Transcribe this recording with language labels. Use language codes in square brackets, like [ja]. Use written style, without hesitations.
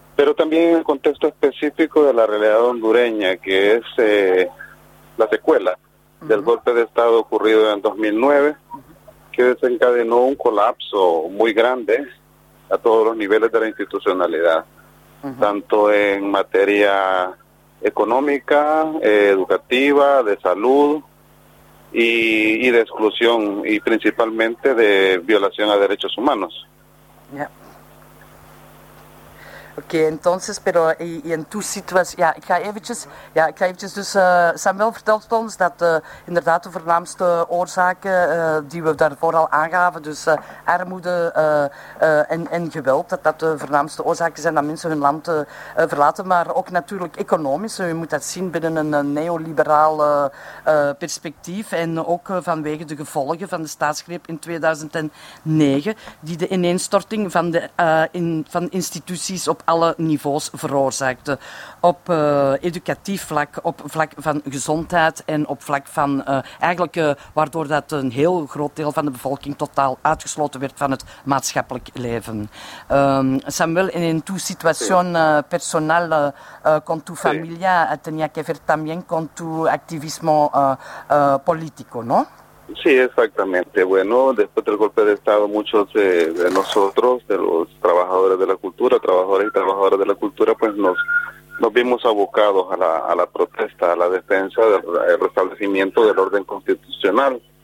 [es] pero también en el contexto específico de la realidad hondureña, que es la secuela del golpe de Estado ocurrido en 2009, que desencadenó un colapso muy grande a todos los niveles de la institucionalidad, tanto en materia económica, educativa, de salud y de exclusión, y principalmente de violación a derechos humanos. [nl] Oké, [es] entonces, pero en tu [nl] situatie, ik ga eventjes, dus Samuel vertelt ons dat inderdaad de voornaamste oorzaken die we daarvoor al aangaven, dus armoede en geweld, dat de voornaamste oorzaken zijn dat mensen hun land verlaten, maar ook natuurlijk economisch, je moet dat zien binnen een neoliberaal perspectief en ook vanwege de gevolgen van de staatsgreep in 2009, die de ineenstorting van van instituties op alle niveaus veroorzaakte. Op educatief vlak, op vlak van gezondheid en op vlak van eigenlijk waardoor dat een heel groot deel van de bevolking totaal uitgesloten werd van het maatschappelijk leven. [es] Samuel, en tu situación personal con tu familia tenía que ver también con tu activismo político, ¿no? Sí, exactamente. Bueno, después del golpe de Estado, muchos de nosotros, de los trabajadores de la cultura, trabajadores y trabajadoras de la cultura, pues nos vimos abocados a la protesta, a la defensa del restablecimiento del orden constitucional.